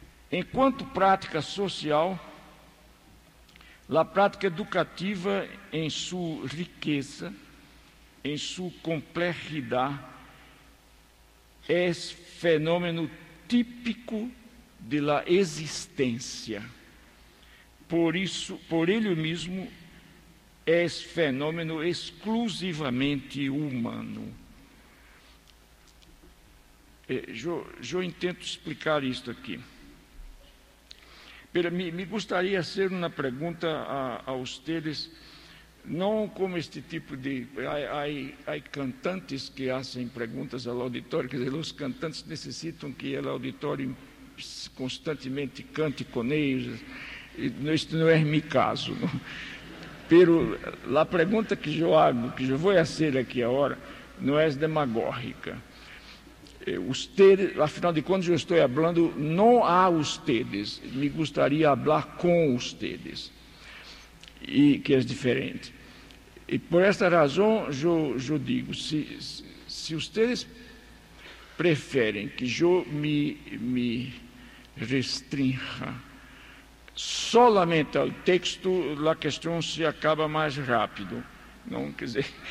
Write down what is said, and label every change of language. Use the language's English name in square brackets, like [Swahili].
[Portuguese] Enquanto prática social, a prática educativa, em sua riqueza, em sua complexidade, é fenômeno típico de la existência. Por ele mesmo, é fenômeno exclusivamente humano. Eu intento explicar isto aqui. [Spanish] Pero me gustaría hacer una pregunta a ustedes, no como este tipo de... Hay cantantes que hacen preguntas al auditorio, que los cantantes necesitan que el auditorio constantemente cante con ellos. Esto no es mi caso, ¿no? Pero la pregunta que yo hago, que yo voy a hacer aquí ahora, no es demagógica. [Portuguese] Ustedes, afinal de contas, eu estou falando não a ustedes, me gostaria de falar com ustedes, e que é diferente. E por esta razão, eu digo, se ustedes preferem que eu me restrinja solamente ao texto, a questão se acaba mais rápido, não quer dizer...